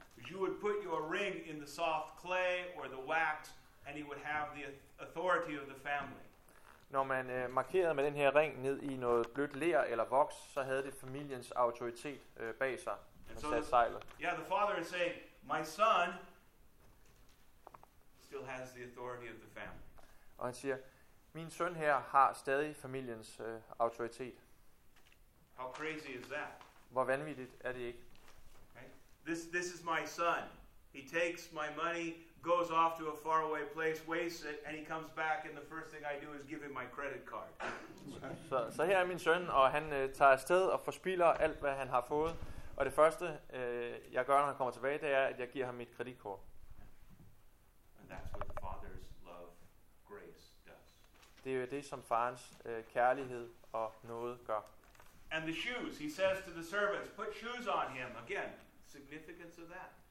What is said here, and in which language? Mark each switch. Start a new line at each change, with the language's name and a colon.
English: You would put your ring in the soft clay or the wax, and it would have the authority of the family.
Danish: Når man markerede med den her ring ned i noget blødt ler eller voks, så havde det familiens autoritet bag sig.
English: Yeah, the father is saying, my son still has the authority of the family.
Danish: Og han siger, min søn her har stadig familiens autoritet.
English: How crazy is that?
Danish: Hvor vanvittigt er det ikke?
English: Okay. This is my son. He takes my money, goes off to a faraway place, wastes it, and he comes back, and the first thing I do is give him my credit card.
Danish: Så her er min søn, og han tager afsted og forspiller alt, hvad han har fået. Og det første, jeg gør, når han kommer tilbage, det er, at jeg giver ham mit kreditkort.
English: And that's what the father's love, grace does.
Danish: Det er jo det, som farens kærlighed og nåde gør.
English: And the shoes, he says to the servants, put shoes on him. Again, significance of that.